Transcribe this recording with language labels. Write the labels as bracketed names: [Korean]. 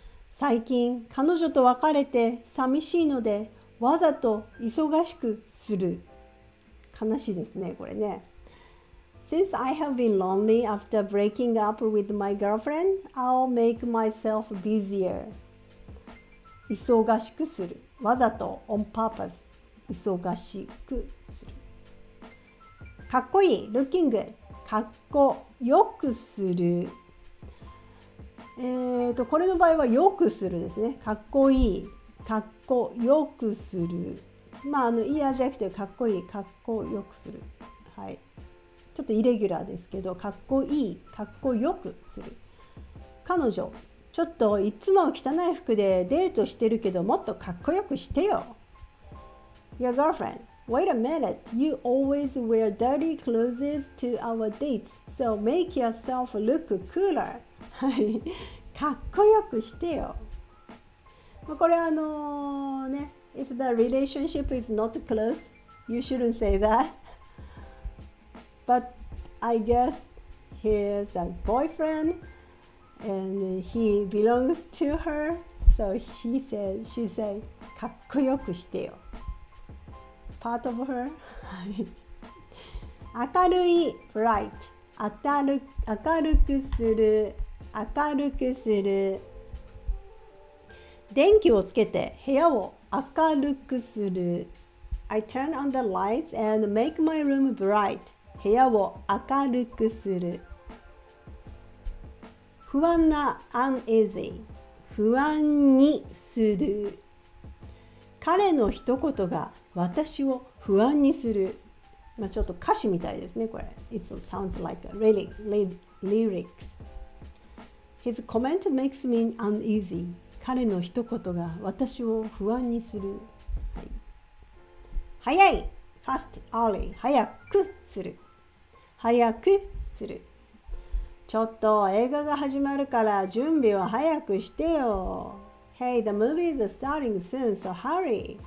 [Japanese] 最近、彼女と別れて寂しいので、わざと忙しくする。悲しいですね、これね。 [English] Since I have been lonely after breaking up with my girlfriend, I'll make myself busier. [Japanese] 忙しくする。わざと、 [English] on purpose。 [Japanese] 忙しくする。かっこいい、 [English] looking good。 [Japanese] かっこよくする。これの場合はよくするですね。かっこいい、かっこよくする。まあ、いいアジャクティブ、かっこいい、かっこよくする。はい。ちょっとイレギュラーですけど、かっこいい、かっこよくする。彼女、ちょっといつも汚い服でデートしてるけど、もっとかっこよくしてよ。 [English] Your girlfriend, wait a minute. You always wear dirty clothes to our dates, so make yourself look cooler. [Japanese] はい。かっこよくしてよ。まあ、これ、ね。 [English] If the relationship is not close, you shouldn't say that. But I guess he is a boyfriend and he belongs to her. So she said, [Japanese] かっこよくしてよ。 [English] Part of her. [Japanese] 明るい、bright. 明るくする、明るくする。電気をつけて部屋を明るくする。 [English] I turn on the lights and make my room bright. [Japanese] 部屋を明るくする。不安な、 uneasy。不安にする。彼の一言が私を不安にする。まあ、ちょっと歌詞みたいですねこれ。 [English] It sounds like really lyrics. His comment makes me uneasy. [Japanese] 彼の一言が私を不安にする。はい、早い、 [English] fast, early, [Japanese] 早くする、早くする。ちょっと映画が始まるから準備を早くしてよ。 [English] Hey, the movie is starting soon, so hurry.